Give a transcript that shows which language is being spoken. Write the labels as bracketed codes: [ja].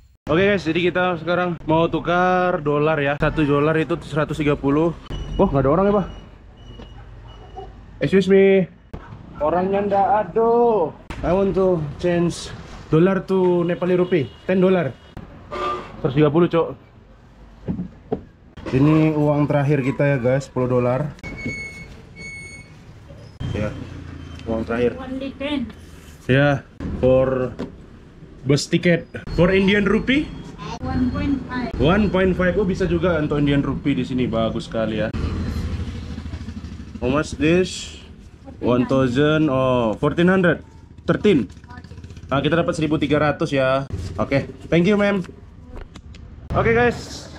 [id] Oke guys, jadi kita sekarang mau tukar dolar ya. Satu dolar itu 130. Wah, nggak ada orang ya, Pak? [en] Excuse me. [id] Orangnya ndak ado. [en] I want to change dolar to Nepali rupiah. [id] 10 dolar. 130, Cok. Ini uang terakhir kita ya, guys. 10 dolar. Ya. Uang terakhir. [en] Only 10. Ya, yeah, for bus ticket for Indian rupiah. 1.5. [id] Oh, bisa juga untuk Indian rupiah di sini. Bagus sekali ya. [en] How much this? 1000 or 1400? 13. Okay. [id] Nah, kita dapat 1300 ya. [en] Oke. Okay. Thank you, ma'am. Oke, guys.